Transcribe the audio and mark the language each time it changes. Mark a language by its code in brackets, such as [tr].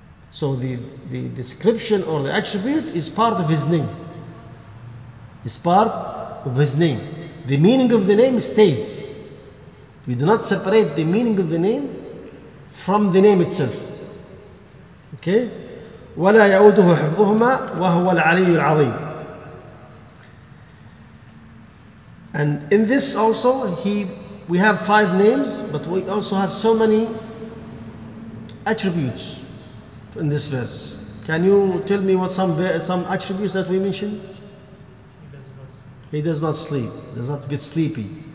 [en] So the description or the attribute is part of His name. It's part of His name. The meaning of the name stays. We do not separate the meaning of the name from the name itself. Okay? [ar] ولا يعوده حفظهما وهو العلي العظيم. [en] And in this also, we have five names, but we also have so many attributes in this verse. Can you tell me what some attributes that we mentioned? He does not sleep, does not get sleepy.